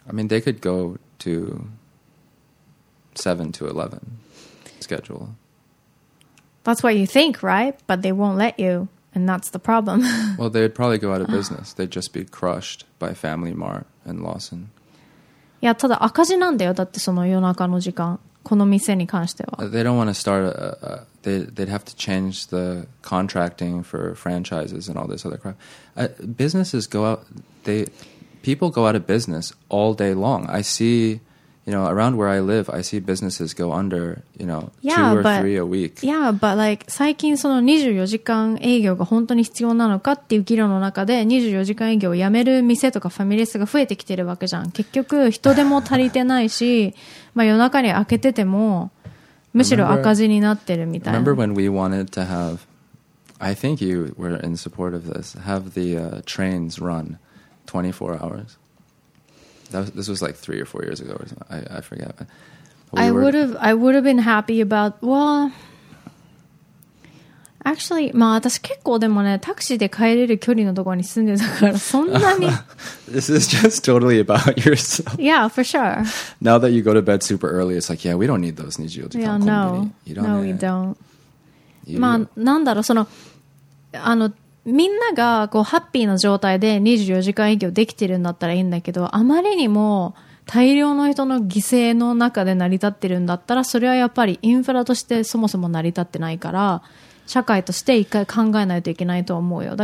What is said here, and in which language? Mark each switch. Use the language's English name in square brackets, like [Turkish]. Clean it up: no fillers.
[English] I mean, they could go to 7 to 11. Schedule. That's what you think, right? But they won't let you, and that's the problem. Well, they'd probably go out of business. They'd just be crushed by Family Mart and Lawson. [Japanese] Yeah, ただ赤字なんだよ。だってその夜中の時間、この店に関しては。 [English] They don't want to start. They'd have to change the contracting for franchises and all this other crap. Businesses go out. People go out of business all day long. I see. You know, around where I live, I see businesses go under, you know, yeah, two or three a week. Yeah, but like, [Japanese] 最近その24時間営業が本当に必要なのかっていう議論の中で24時間営業をやめる店とかファミレスが増えてきてるわけじゃん。結局人手も足りてないし、まあ夜中に開けててもむしろ赤字になってるみたいな。 [English] Remember when we wanted to have, I think you were in support of this, have the trains run 24 hours? This was like 3 or 4 years ago. Or I forget. I would have been happy about. Well, actually, well, [Japanese] 私結構でもね、タクシーで帰れる距離のところに住んでたから、そんなに。 [English] This is just totally about yourself. Yeah, for sure. Now that you go to bed super early, it's like, yeah, we don't need those 24 hours. Yeah, no. No, we don't. [Japanese] まあ、なんだろう、その、あの、みんながこうハッピーな状態で24時間営業できてるんだったらいいんだけど、あまりにも大量の人の犠牲の中で成り立ってるんだったら、それはやっぱりインフラとしてそもそも成り立ってないから、社会として一回考えないといけないと思うよ。